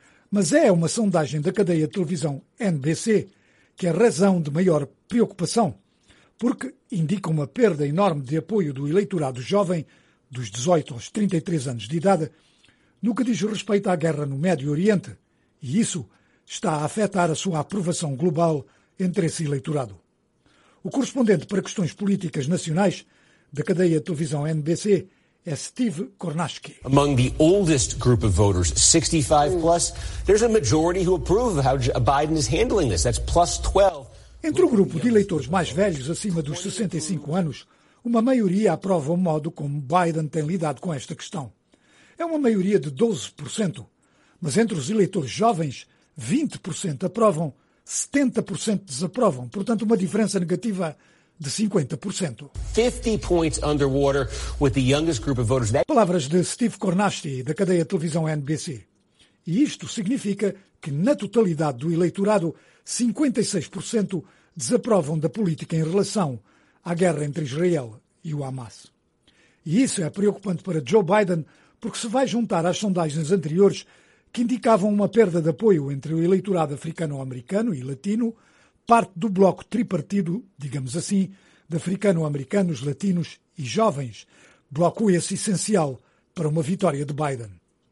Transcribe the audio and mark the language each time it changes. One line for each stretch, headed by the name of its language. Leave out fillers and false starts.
Portuguese: Mas é uma sondagem da cadeia de televisão NBC que é razão de maior preocupação, porque indica uma perda enorme de apoio do eleitorado jovem, dos 18 aos 33 anos de idade, no que diz respeito à guerra no Médio Oriente, e isso está a afetar a sua aprovação global entre esse eleitorado. O correspondente para questões políticas nacionais da cadeia de televisão NBC é Steve Kornacki.
English: Among the oldest group of voters, 65 plus, there's a majority who approve how Biden is handling this. That's plus 12.
Portuguese: Entre o grupo de eleitores mais velhos, acima dos 65 anos, uma maioria aprova o modo como Biden tem lidado com esta questão. É uma maioria de 12%. Mas entre os eleitores jovens, 20% aprovam, 70% desaprovam. Portanto, uma diferença negativa de 50%.
English: 50 points underwater with the youngest group of voters.
Portuguese: Palavras de Steve Kornacki, da cadeia de televisão NBC. E isto significa que, na totalidade do eleitorado, 56% desaprovam da política em relação à guerra entre Israel e o Hamas. E isso é preocupante para Joe Biden, porque se vai juntar às sondagens anteriores que indicavam uma perda de apoio entre o eleitorado africano-americano e latino, parte do bloco tripartido, digamos assim, de africano-americanos, latinos e jovens, bloco esse essencial para uma vitória de Biden.